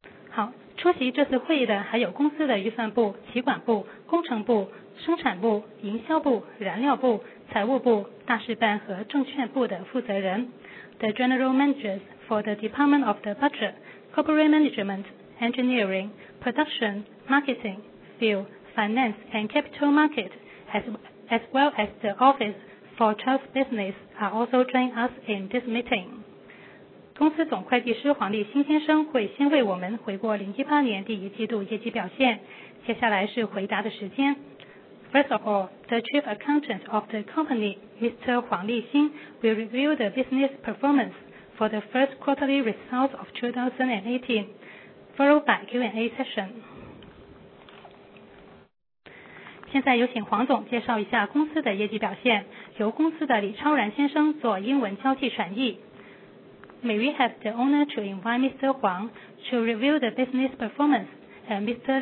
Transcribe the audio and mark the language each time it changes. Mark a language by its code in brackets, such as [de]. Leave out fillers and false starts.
[zh] 好，出席这次会议的还有公司的预算部、企管部、工程部、生产部、营销部、燃料部、财务部、大事办和证券部的负责人 [en] ，The General Managers for the Department of the Budget, Corporate Management, Engineering, Production, Marketing, Fuel, Finance and Capital Market, as well as the Office for Trust Business are also joining us in this meeting. [zh] 公司总会计师黄立新先生会先为我们回顾2018年第一季度业绩表现，接下来是回答的时间。 [en] First of all, the chief accountant of the company, Mr. 黄立新, will review the business performance for the first quarterly results of 2018, followed by Q&A session. [zh] 现在有请黄总介绍一下公司的业绩表现，由公司的李超然先生做英文交替传译。 [en] May we have the honor to invite Mr. Huang to review the business performance, and Mr.